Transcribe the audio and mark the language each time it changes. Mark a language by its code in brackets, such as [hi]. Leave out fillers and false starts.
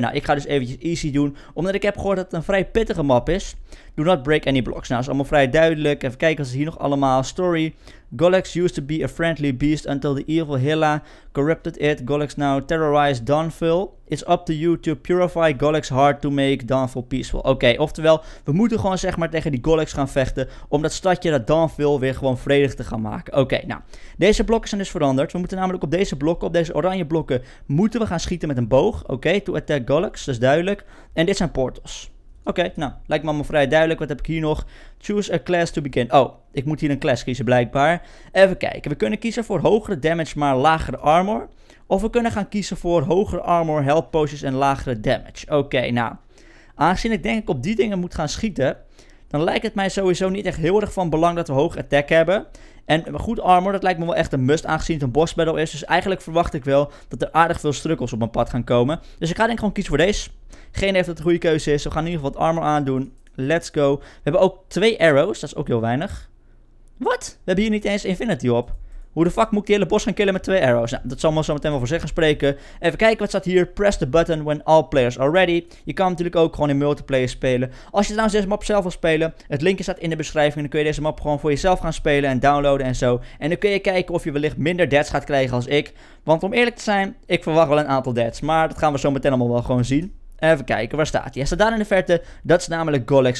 [nl] Nou, ik ga dus eventjes easy doen, omdat ik heb gehoord dat het een vrij pittige map is. [en] Do not break any blocks. [nl] Nou, dat is allemaal vrij duidelijk. Even kijken wat ze hier nog allemaal. [en] Story. Golex used to be a friendly beast until the evil Hilla corrupted it. Golex now terrorized Dawnville. It's up to you to purify Golex's heart to make Dawnville peaceful. [nl] Oké, oftewel, we moeten gewoon zeg maar tegen die Golex gaan vechten om dat stadje dat Dawnville weer gewoon vredig te gaan maken. Oké, nou, deze blokken zijn dus veranderd. We moeten namelijk op deze blokken, op deze oranje blokken, moeten we gaan schieten met een boog. Oké, [en] to attack Golex, [nl] dat is duidelijk. En dit zijn portals. Oké, nou, lijkt me allemaal vrij duidelijk. Wat heb ik hier nog? [en] Choose a class to begin. [nl] Oh, ik moet hier een class kiezen blijkbaar. Even kijken, we kunnen kiezen voor hogere damage maar lagere armor. Of we kunnen gaan kiezen voor hogere armor, health potions en lagere damage. Oké, nou, aangezien ik denk ik op die dingen moet gaan schieten, dan lijkt het mij sowieso niet echt heel erg van belang dat we hoog attack hebben. En goed armor, dat lijkt me wel echt een must aangezien het een boss battle is. Dus eigenlijk verwacht ik wel dat er aardig veel struggles op mijn pad gaan komen. Dus ik ga denk ik gewoon kiezen voor deze. Geen idee of dat een goede keuze is. We gaan in ieder geval wat armor aandoen. [en] Let's go. [nl] We hebben ook 2 arrows. Dat is ook heel weinig. Wat? We hebben hier niet eens infinity op. Hoe de fuck moet ik die hele boss gaan killen met 2 arrows? Nou, dat zal me zo meteen wel voor zich gaan spreken. Even kijken wat staat hier. [en] Press the button when all players are ready. [nl] Je kan natuurlijk ook gewoon in multiplayer spelen. Als je trouwens deze map zelf wil spelen, het linkje staat in de beschrijving. Dan kun je deze map gewoon voor jezelf gaan spelen en downloaden en zo. En dan kun je kijken of je wellicht minder deaths gaat krijgen als ik. Want om eerlijk te zijn, ik verwacht wel een aantal deaths. Maar dat gaan we zo meteen allemaal wel gewoon zien. Even kijken, waar staat hij? Hij staat daar in de verte. Dat is namelijk Golex.